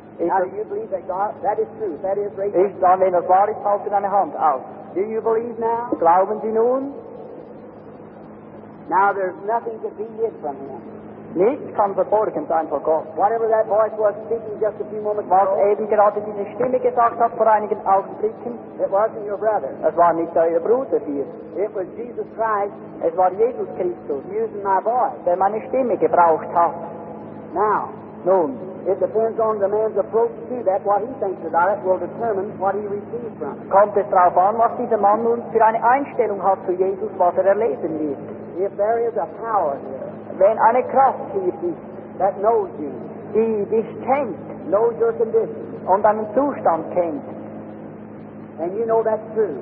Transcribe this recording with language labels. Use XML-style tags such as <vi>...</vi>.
<en>Now, do you believe that God, that is true, that is right?</en> <de>Ich sage, wenn das wahr ist, halte deine Hand auf.</de> <en>Do you believe now?</en> <de>Glauben Sie nun?</de> <en>Now, there's nothing to be hid from him.</en> <de>Nichts kann verborgen sein vor Gott.</de> <en>Whatever that voice was speaking just a few moments ago,</en> <de>was eben gerade diese Stimme gesagt hat vor einigen Augenblicken,</de> <en>it wasn't your brother.</en> <de>Es war nicht euer Bruder hier.</de> <en>It was Jesus Christ.</en> <de>Es war Jesus Christus.</de> <en>Using my voice.</en> <de>Der meine Stimme gebraucht hat.</de> <en>Now.</en> <de>Nun.</de> <en>It depends on the man's approach to that. What he thinks about it will determine what he receives from it.</en> <de>Kommt es darauf an, was dieser Mann nun für eine Einstellung hat zu Jesus, was erlesen wird.</de> <en>If there is a power here,</en> <de>wenn eine Kraft hier ist,</de> <en>that knows you,</en> <de>die dich kennt,</de> <en>knows your condition,</en> <de>und deinen Zustand kennt,</de> <en>and you know that's true,</en>